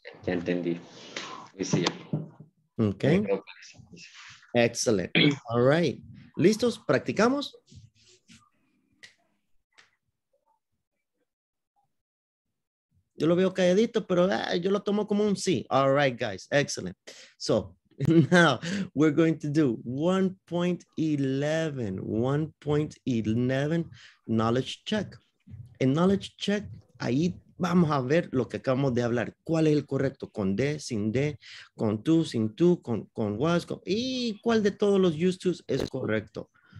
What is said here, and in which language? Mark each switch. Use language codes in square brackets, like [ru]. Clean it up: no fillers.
[es] Ya entendí. Sí, ya. Ok. Excelente. [en] All right. [es] ¿Listos? ¿Practicamos? Yo lo veo calladito, pero yo lo tomo como un sí. [en] All right, guys. Excellent. So, now we're going to do 1.11 knowledge check. [es] En knowledge check, ahí vamos a ver lo que acabamos de hablar. ¿Cuál es el correcto? ¿Con de, sin de? ¿Con tú, sin tú? ¿Con was? Con, ¿y cuál de todos los used to es correcto?